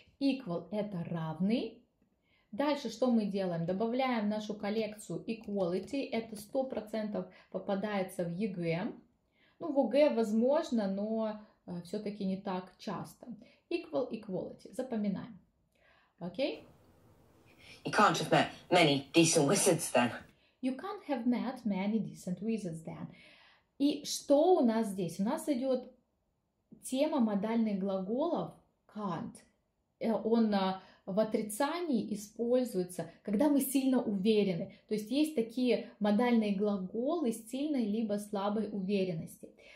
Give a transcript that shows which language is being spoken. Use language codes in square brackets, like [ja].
[ru] Equal – это равный. Дальше что мы делаем? Добавляем в нашу коллекцию equality. Это 100% попадается в ЕГЭ. Ну, в ОГЭ возможно, но все-таки не так часто. Equal, equality. Запоминаем. Окей? [en] You can't have met many decent wizards then. You can't have met many decent wizards then. [ru] И что у нас здесь? У нас идет тема модальных глаголов can't. Он в отрицании используется, когда мы сильно уверены. То есть есть такие модальные глаголы с сильной либо слабой уверенности.